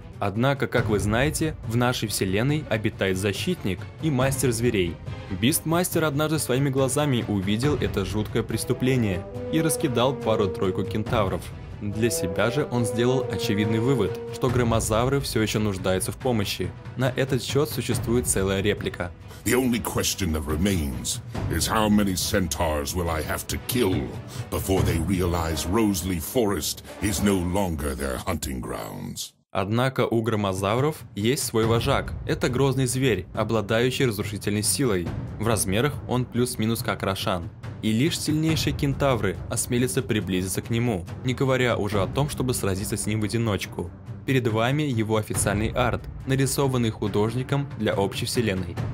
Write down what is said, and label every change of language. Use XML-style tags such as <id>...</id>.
<ru>Однако, как вы знаете, в нашей вселенной обитает защитник и мастер зверей. Бистмастер однажды своими глазами увидел это жуткое преступление и раскидал пару-тройку кентавров. Для себя же он сделал очевидный вывод, что громозавры все еще нуждаются в помощи. На этот счет существует целая реплика.</ru> <en>The only question that remains is how many centaurs will I have to kill before they realize Roseleaf Forest is no longer their hunting grounds.</en> <ru>Однако у громозавров есть свой вожак. Это грозный зверь, обладающий разрушительной силой. В размерах он плюс-минус как Рошан. И лишь сильнейшие кентавры осмелятся приблизиться к нему, не говоря уже о том, чтобы сразиться с ним в одиночку. Перед вами его официальный арт, нарисованный художником для общей вселенной.</ru>